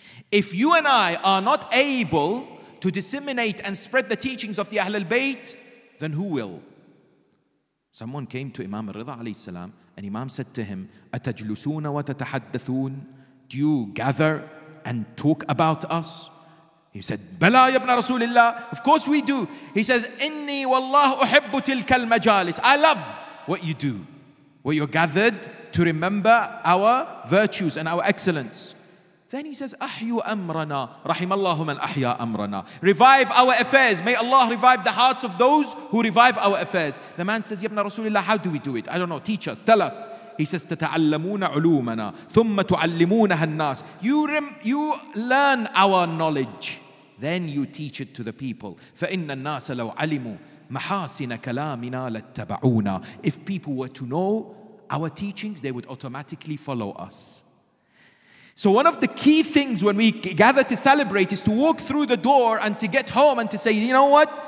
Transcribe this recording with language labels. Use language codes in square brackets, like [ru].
[en] If you and I are not able to disseminate and spread the teachings of the Ahl al-Bayt, then who will? Someone came to Imam al-Ridha alayhi salam, and Imam said to him, [ar] أَتَجْلُسُونَ وَتَتَحَدَّثُونَ? [en] Do you gather and talk about us? He said, [ar] بَلَا يَبْنَ رَسُولِ اللَّهِ. [en] Of course we do. He says, [ar] إِنِّي وَاللَّهُ أُحِبُّ تِلْكَ الْمَجَالِسِ. [en] I love what you do, where you're gathered to remember our virtues and our excellence. Then he says, [ar] أَحْيُوا أَمْرَنَا رَحِمَ اللَّهُ مَنْ أَحْيَا أَمْرَنَا. [en] Revive our affairs. May Allah revive the hearts of those who revive our affairs. The man says, [ar] يَبْنَ رَسُولِ اللَّهِ, [en] how do we do it? I don't know. Teach us. Tell us. He says, [ar] تَتَعَلَّمُونَ عُلُومَنَا ثُمَّ تُعَلِّمُونَهَا النَّاسِ. [en] You learn our knowledge. Then you teach it to the people. [ar] فَإِنَّ النَّاسَ لَوْ عَلِمُوا مَحَاسِنَ كَلَامِنَا لَاتَّبَعُونَا. [en] If people were to know our teachings, they would automatically follow us. So one of the key things when we gather to celebrate is to walk through the door and to get home and to say, you know what?